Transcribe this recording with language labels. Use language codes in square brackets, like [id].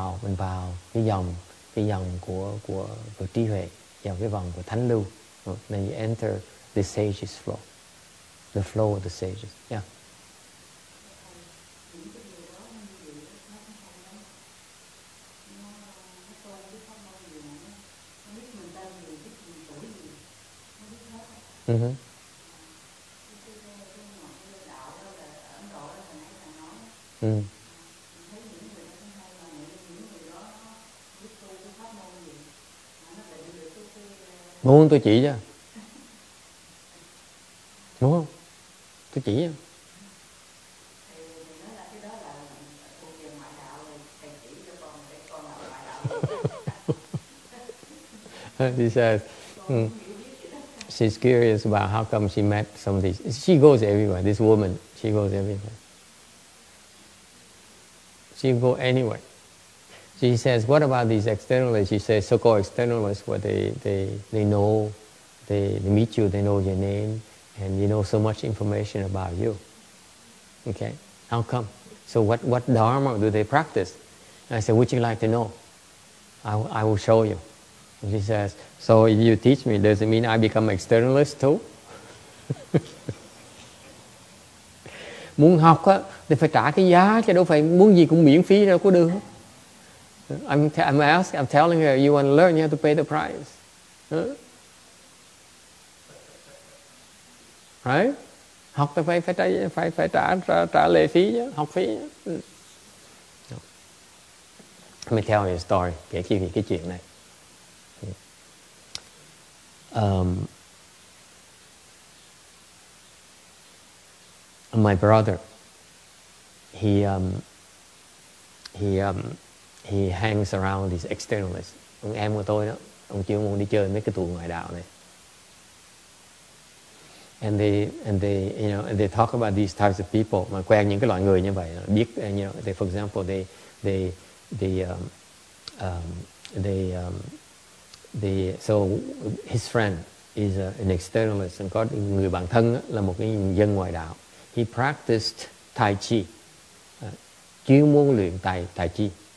[vi] Mình vào cái dòng của trí huệ, vào cái vòng của thánh lưu. [en] Then you enter the sage's flow, the flow of the sages. Yeah. [vi] Muốn tôi chỉ cho. Đúng không? Tôi chỉ cho. Thì nói là cái đó là cuộc dân ngoại đạo, thì thầy chỉ cho con để con là ngoại đạo. [en] She says, she's curious about how come she met some of these. She goes everywhere, this woman. She goes everywhere. She go anywhere. She says, what about these externalists? She says, so-called externalists, where they know, they meet you, they know your name, and you know so much information about you. Okay? How come? So what dharma do they practice? And I said, would you like to know? I will show you. And she says, so if you teach me, does it mean I become externalist too? [vi] Muốn học á, thì phải trả cái giá chứ đâu phải muốn gì cũng miễn phí đâu có được. [en] I'm telling her, you want to learn, you have to pay the price. Huh? Right? [vi] Học thì phải trả lệ phí chứ, học phí chứ. [en] Let me tell you a story, [vi] kể chi về cái chuyện này. [en] My brother, he hangs around these externalists. [vi] Ông em của tôi đó, ông chưa muốn đi chơi mấy cái tụ ngoại đạo này. [en] And they talk about these types of people. [vi] Mà quen những cái loại người như vậy, biết, [en] you know, they, for example, they so his friend is an externalist, and [vi] có người bạn thân đó, là một cái dân ngoại đạo. [en] He practiced Tai Chi, [vi] chuyên môn luyện Tai Chi.